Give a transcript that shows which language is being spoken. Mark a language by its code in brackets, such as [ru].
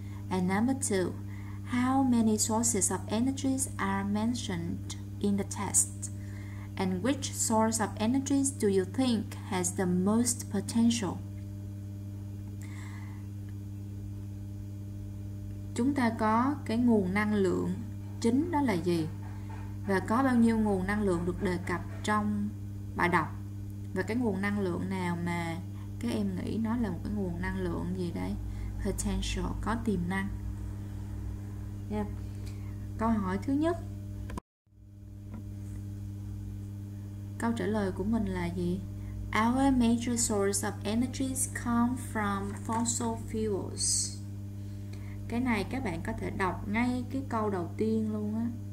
[en] And number two, how many sources of energy are mentioned in the test? And which source of energy do you think has the most potential? [vi] Chúng ta có cái nguồn năng lượng chính đó là gì? Và có bao nhiêu nguồn năng lượng được đề cập trong bài đọc? Và cái nguồn năng lượng nào mà các em nghĩ nó là một cái nguồn năng lượng gì đấy? Potential, có tiềm năng. Yeah. Câu hỏi thứ nhất. Câu trả lời của mình là gì? [en] Our major source of energy come from fossil fuels. [vi] Cái này các bạn có thể đọc ngay cái câu đầu tiên luôn á.